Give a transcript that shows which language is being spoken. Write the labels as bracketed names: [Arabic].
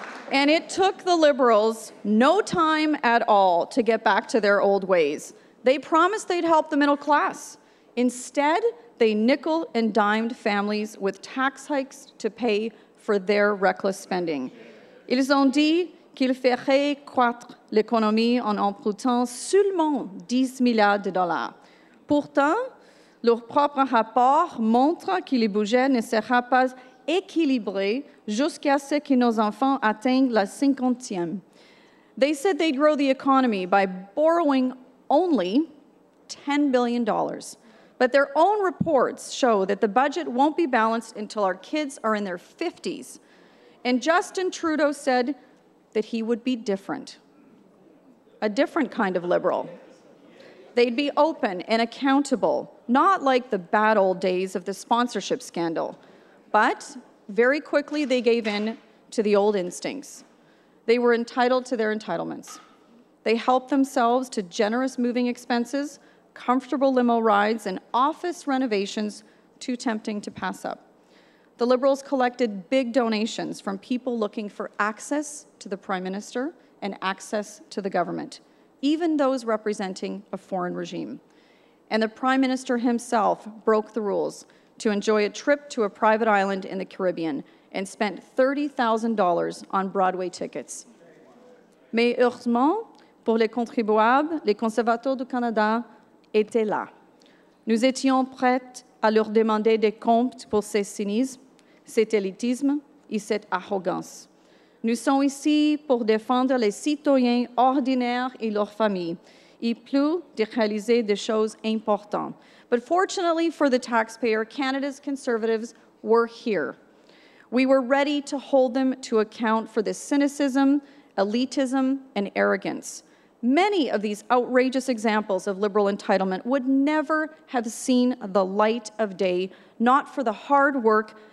[English] And it took the Liberals no time at all to get back to their old ways. They promised they'd help the middle class. Instead, they nickel and dimed families with tax hikes to pay for their reckless spending. [French] Ils ont dit qu'ils feraient croître l'économie en empruntant seulement 10 milliards de dollars. Pourtant, leur propre rapport montre que le budget ne sera pas équilibré jusqu'à ce que nos enfants atteignent la 50e. [English] They said they'd grow the economy by borrowing only $10 billion. But their own reports show that the budget won't be balanced until our kids are in their 50s. And Justin Trudeau said that he would be different, a different kind of liberal. They'd be open and accountable, not like the bad old days of the sponsorship scandal. But very quickly, they gave in to the old instincts. They were entitled to their entitlements. They helped themselves to generous moving expenses, comfortable limo rides, and office renovations too tempting to pass up. The Liberals collected big donations from people looking for access to the Prime Minister and access to the government, even those representing a foreign regime. And the Prime Minister himself broke the rules to enjoy a trip to a private island in the Caribbean and spent $30,000 on Broadway tickets. [French] Mais heureusement, pour les contribuables, les conservateurs du Canada étaient là. Nous étions prêts à leur demander des comptes pour ce cynisme, cet élitisme et cette arrogance. Nous sommes ici pour défendre les citoyens ordinaires et leurs familles, et plus de réaliser des choses importantes. [English] But fortunately for the taxpayer, Canada's Conservatives were here. We were ready to hold them to account for the cynicism, elitism, and arrogance. Many of these outrageous examples of Liberal entitlement would never have seen the light of day, not for the hard work